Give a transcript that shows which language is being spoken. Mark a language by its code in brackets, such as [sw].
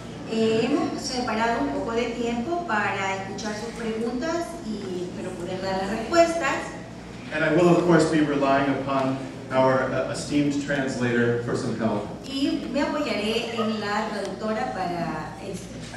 [es] Hemos separado un poco de tiempo para escuchar sus preguntas y espero poder dar las respuestas. [en] And I will, of course, be relying upon our esteemed translator for some help. [es] Y me apoyaré en la traductora para esto.